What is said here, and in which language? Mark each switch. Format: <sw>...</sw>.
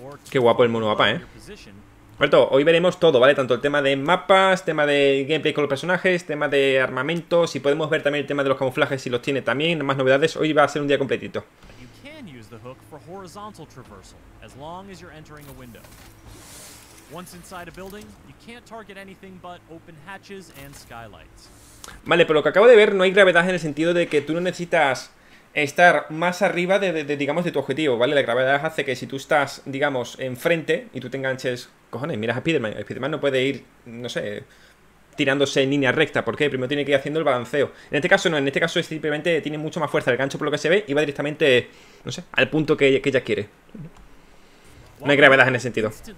<es>Qué guapo el monomapa, ¿eh? Alberto, hoy veremos todo, ¿vale? Tanto el tema de mapas, tema de gameplay con los personajes, tema de armamento. Si podemos ver también el tema de los camuflajes, si los tiene también, más novedades. Hoy va a ser un día completito.</es> <en>The hook for horizontal traversal, as long as you're entering a window. Once inside a building, you can't target anything but open hatches and skylights.</en> <es>Vale, pero lo que acabo de ver, no hay gravedad en el sentido de que tú no necesitas estar más arriba de digamos, de tu objetivo, ¿vale? La gravedad hace que si tú estás, digamos, enfrente y tú te enganches, cojones, miras a Spiderman. Spiderman no puede ir, no sé, tirándose en línea recta, ¿por qué? Primero tiene que ir haciendo el balanceo. En este caso no, en este caso es simplemente tiene mucho más fuerza el gancho por lo que se ve y va directamente, no sé, al punto que ella quiere. No hay gravedad en ese sentido.</es>